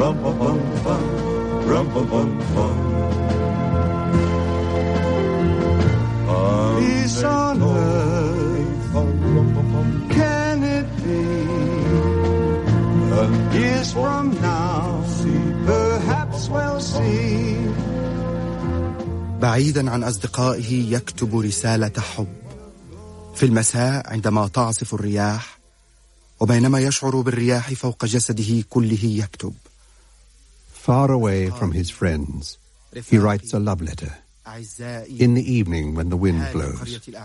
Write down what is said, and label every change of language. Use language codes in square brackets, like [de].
[en] Rum-ba-bum-bum, rum-ba-bum-bum. Peace on earth, ba-rum-ba-bum. Can it be? And years from now, perhaps we'll see. [ar] بعيدا عن أصدقائه يكتب رسالة حب في المساء عندما تعصف الرياح وبينما يشعر بالرياح فوق جسده كله يكتب. [en] Far away from his friends, he writes a love letter in the evening when the wind blows.